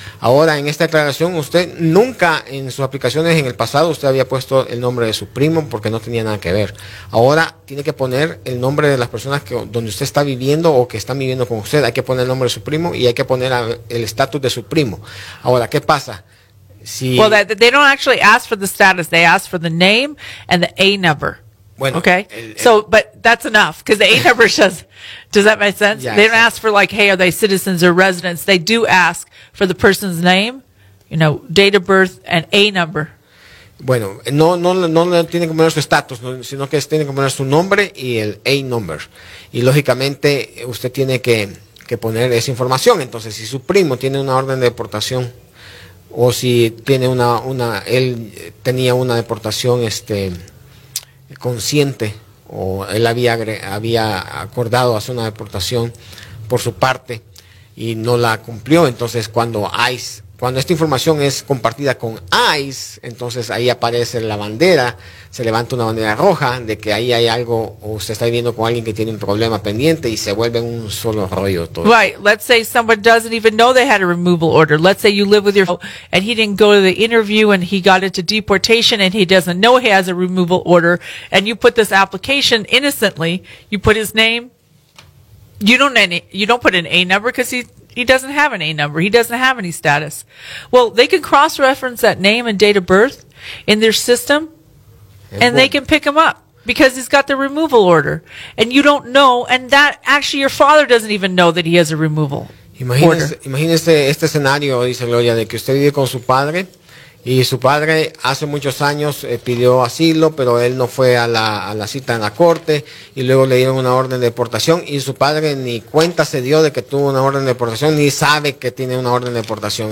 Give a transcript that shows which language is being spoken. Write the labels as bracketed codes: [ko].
[es] Ahora, en esta declaración, usted nunca en sus aplicaciones en el pasado usted había puesto el nombre de su primo porque no tenía nada que ver. Ahora tiene que poner el nombre de las personas donde usted está viviendo o que están viviendo con usted. Hay que poner el nombre de su primo y hay que poner el estatus de su primo. Ahora, ¿qué pasa? [en] Well, they don't actually ask for the status. They ask for the name and the A number. [es] Bueno, [en] okay, but that's enough, because the A number says, does that make sense? Yeah, they don't ask for like, hey, are they citizens or residents? They do ask for the person's name, you know, date of birth, and A number. [es] Bueno, no tiene que poner su estatus, sino que tiene que poner su nombre y el A number. Y lógicamente, usted tiene que poner esa información. Entonces, si su primo tiene una orden de deportación, o si tiene él tenía una deportación, consciente, o él había acordado hacer una deportación por su parte y no la cumplió, entonces cuando esta información es compartida con ICE, entonces ahí aparece la bandera, se levanta una bandera roja de que ahí hay algo, o usted está viviendo con alguien que tiene un problema pendiente y se vuelve un solo rollo todo. [en] Right, let's say someone doesn't even know they had a removal order. Let's say you live with your and he didn't go to the interview and he got into deportation and he doesn't know he has a removal order, and you put this application innocently, you put his name, you don't put an A number because he doesn't have an A number. He doesn't have any status. Well, they can cross-reference that name and date of birth in their system, and they can pick him up because he's got the removal order. And you don't know, and that actually your father doesn't even know that he has a removal order. [es] Imagínese este escenario, dice Gloria, de que usted vive con su padre, y su padre hace muchos años pidió asilo, pero él no fue a la cita en la corte, y luego le dieron una orden de deportación, y su padre ni cuenta se dio de que tuvo una orden de deportación, ni sabe que tiene una orden de deportación.